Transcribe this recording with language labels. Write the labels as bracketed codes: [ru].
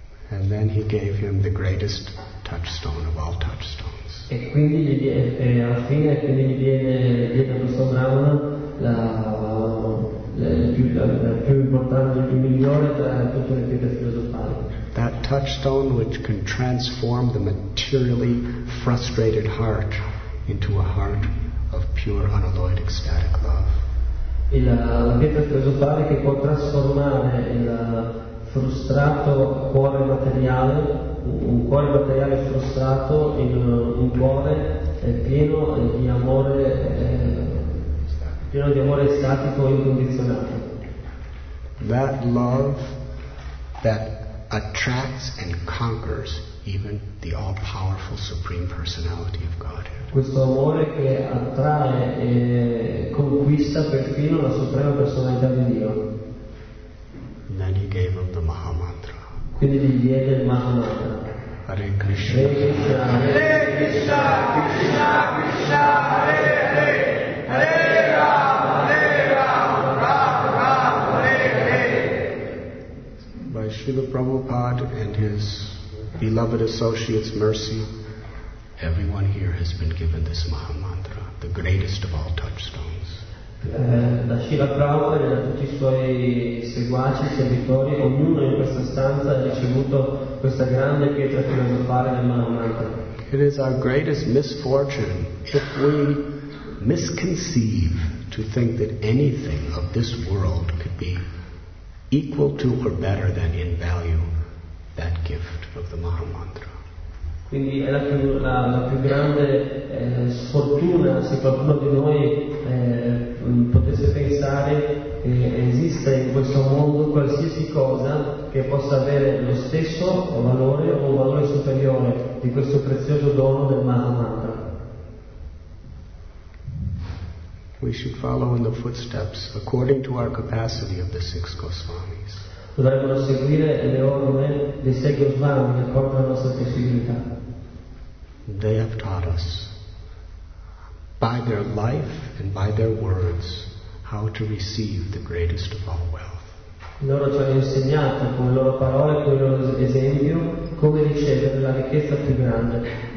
[en] And then he gave him the greatest touchstone of all touchstones. [it] E quindi alla fine viene dietro a questo brahmana la più importante, la più migliore tra tutte le pietre filosofali. [en] That touchstone which can transform the materially frustrated heart into a heart of pure, unalloyed, ecstatic love. [it] E la pietra filosofale che può trasformare il frustrato cuore materiale, un cuore materiale frustrato in un cuore pieno di amore, pieno di amore estatico incondizionato. [en] That love that attracts and conquers even the all-powerful Supreme Personality of Godhead. [it] Questo amore che attrae e conquista perfino la Suprema Personalità di Dio. [en] Then he gave him the Mahamantra. [it] Quindi gli diede il Mahamantra. [sa] Hare Krishna. Hare Krishna, Krishna Krishna, Hare Hare, Hare Rama, Hare Rama, Rama Rama, Hare Hare. [en] By Srila Prabhupada and his beloved associates' mercy, everyone here has been given this Mahamantra, the greatest of all touchstones. [it] Da Srila Prabhupada e da tutti i suoi seguaci, servitori, ognuno in questa stanza ha ricevuto questa grande pietra filosofale del Mahamantra. [en] It is our greatest misfortune if we misconceive to think that anything of this world could be equal to or better than in value that gift of the Mahamantra. [it] Quindi è la più grande sfortuna se qualcuno di noi potesse pensare che esista in questo mondo qualsiasi cosa che possa avere lo stesso valore o un valore superiore di questo prezioso dono del Mahamantra. [en] We should follow in the footsteps according to our capacity of the six Goswamis. [it] Dovremmo seguire le orme dei sei Goswami che portano la nostra possibilità. [en] They have taught us by their life and by their words how to receive the greatest of all wealth. [it] Loro ci hanno insegnato con le loro parole e con il loro esempio come ricevere la ricchezza più grande.